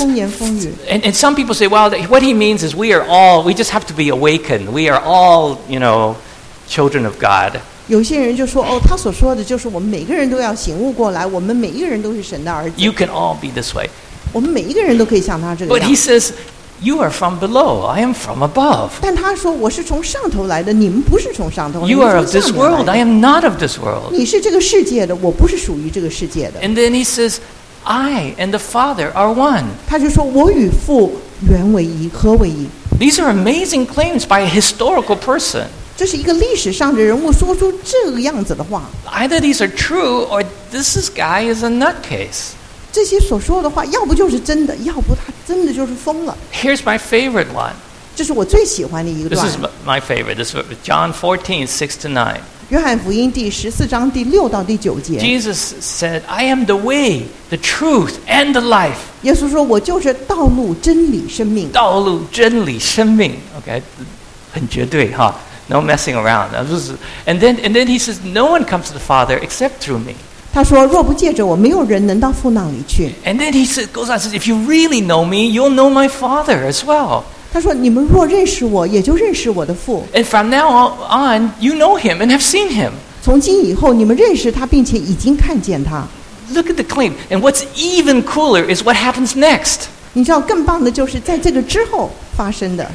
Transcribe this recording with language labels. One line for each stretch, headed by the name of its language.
English: and some people say, well, what he means is we are all, we just have to be awakened. We are all, you know, children of God.
Chinese: 有些人就说，哦，他所说的就是我们每个人都要醒悟过来，我们每一个人都是神的儿子。
English: You can all be this way.
Chinese: 我们每一个人都可以像他这个样。
English: But he says, you are from below, I am from above.
Chinese: 但他说，我是从上头来的，你们不是从上头。
English: You are of this world, I am not of this world.
Chinese: 你是这个世界的，我不是属于这个世界的。
English: And then he says,I and the Father are one.
Chinese: 他就说我与父原为一，合为一。
English: These are amazing claims by a historical person.
Chinese: 这是一个历史上的人物说出这个样子的话。
English: Either these are true or this guy is a nutcase.
Chinese: 这些所说的话要不就是真的，要不他真的就是疯了。
English: Here's my favorite one.
Chinese: 这是我最喜欢的一个段。
English: This is my favorite. This is John 14, 6 to 9.
Chinese: 约翰福音第十四章第六到第九节。
English: Jesus said, "I am the way, the truth, and the life."
Chinese: 耶稣说，我就是道路、真理、生命。道路、真理、生命。
English: Okay,
Chinese: 很绝对哈、
English: huh? ，no messing around. And then he says, "No one comes to the Father except through me."
Chinese: 他说，若不借着我，没有人能到父那里去。
English: And then he says, goes on, says, "If you really know me, you'll know my Father as well."
Chinese: 他说，你们若认识我，也就认识我的父。
English: And from now on, you know him and have seen him.
Chinese: 从今以后，你们认识他，并且已经看见他。
English: Look at the claim. And what's even cooler is what happens next.
Chinese: 你知道更棒的就是在这个之后发生的。